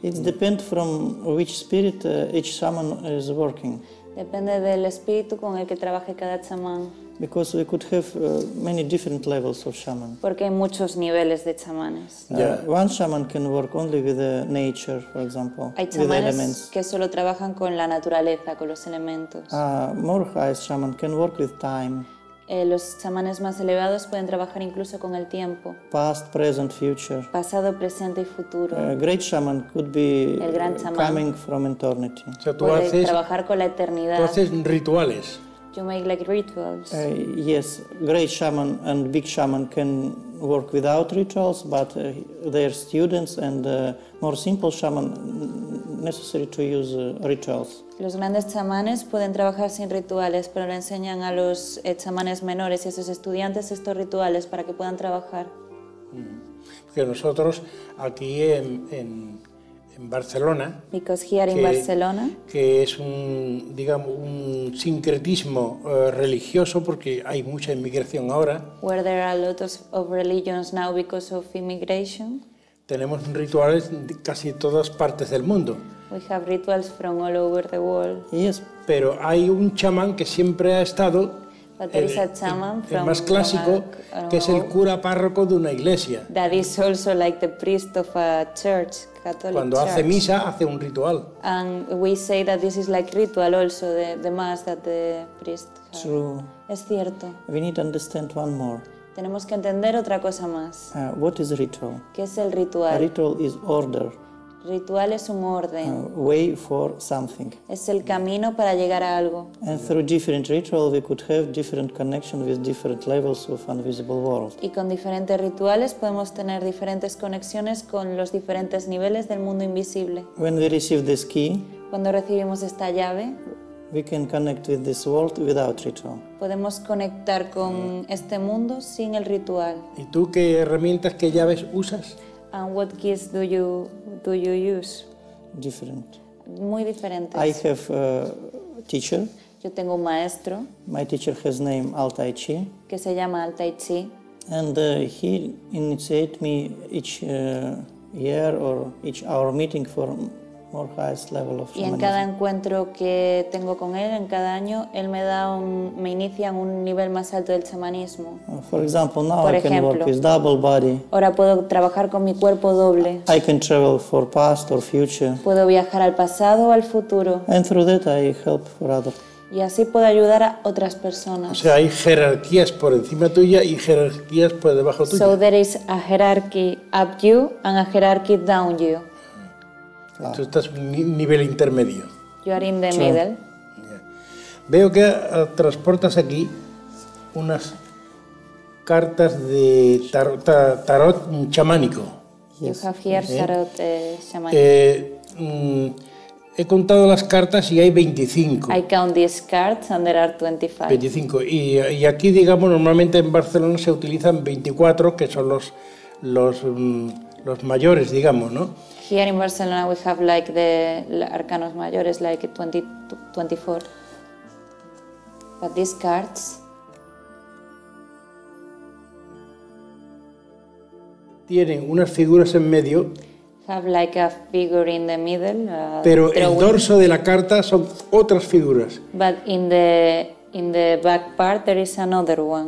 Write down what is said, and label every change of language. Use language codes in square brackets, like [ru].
[en] It depends from which spirit each shaman is working. [es] Depende del espíritu con el que trabaje cada chamán. [en] Because we could have many different levels of shaman. [es] Porque hay muchos niveles de chamanes. [en] Yeah. One shaman can work only with the nature, for example. [es] Hay chamanes que solo trabajan con la naturaleza, con los elementos. [en] More high shaman can work with time. [es] Los chamanes más elevados pueden trabajar incluso con el tiempo. [en] Past, present, future. [es] Pasado, presente y futuro. [en] Great shaman could be [es] el gran chamán [en] coming from eternity. [es] O sea, tú puede haces, trabajar con la eternidad. Tú haces rituales. [en] You make like rituals. Yes, great shaman and big shaman can work without rituals, but their students and more simple shaman necessary to use rituals. [es] Los grandes chamanes pueden trabajar sin rituales, pero le enseñan a los chamanes menores y a sus estudiantes estos rituales para que puedan trabajar. Porque nosotros aquí en Barcelona, [en] because here in Barcelona, [es] que es un, digamos, un sincretismo religioso porque hay mucha inmigración ahora, [en] where there are lots of religions now because of immigration, [es] tenemos rituales de casi todas partes del mundo. [en] We have rituals from all over the world. Yes. [es] Pero hay un chamán que siempre ha estado, el más clásico, que es el cura párroco de una iglesia. [en] That is also like the priest of a church, Catholic [es] Cuando [en] church. [es] Hace misa, hace un ritual. [en] And we say that this is like ritual also, the mass that the priest has. True. [es] Es cierto. [en] We need to understand one more. [es] Tenemos que entender otra cosa más. [en] What is a ritual? [es] ¿Qué es el ritual? [en] A ritual is order. [es] Ritual es un orden. [en] Way for something. [es] Es el camino para llegar a algo. [en] And through different rituals we could have different connection with different levels of invisible world. [es] Y con diferentes rituales podemos tener diferentes conexiones con los diferentes niveles del mundo invisible. [en] When we receive this key, [es] cuando recibimos esta llave, [en] we can connect with this world without ritual. [es] Podemos conectar con este mundo sin el ritual. ¿Y tú qué herramientas, qué llaves usas? [en] And what keys do you use? Different. [es] Muy diferentes. [en] I have a teacher. [es] Yo tengo un maestro. [en] My teacher has name Altai Chi. [es] Que se llama Altai Chi. [en] And he initiate me each year or each hour meeting for more highest level of shamanism. [es] Y en cada encuentro que tengo con él, en cada año, él me inicia en un nivel más alto del chamanismo. [en] For example, now I can work with double body. [es] Ahora puedo trabajar con mi cuerpo doble. [en] I can travel for past or future. [es] Puedo viajar al pasado o al futuro. [en] And through that I help for others. [es] Y así puedo ayudar a otras personas. O sea, hay jerarquías por encima tuya y jerarquías por debajo tuya. [en] So there is a hierarchy up you and a hierarchy down you. [es] Tú estás en nivel intermedio. [en] You are in the middle. [es] Veo que transportas aquí unas cartas de tarot chamánico. [en] You have here tarot shamanic. [es] He contado las cartas y hay 25. [en] I count these cards and there are 25. 25. [es] Y aquí, digamos, normalmente en Barcelona se utilizan 24, que son los mayores, digamos, ¿no? [en] Here in Barcelona we have like the arcanos mayores, like 24. But these cards. [es] Tienen unas figuras en medio. [en] Have like a figure in the middle. [es] Pero el dorso de la carta son otras figuras. [en] But in the back part there is another one.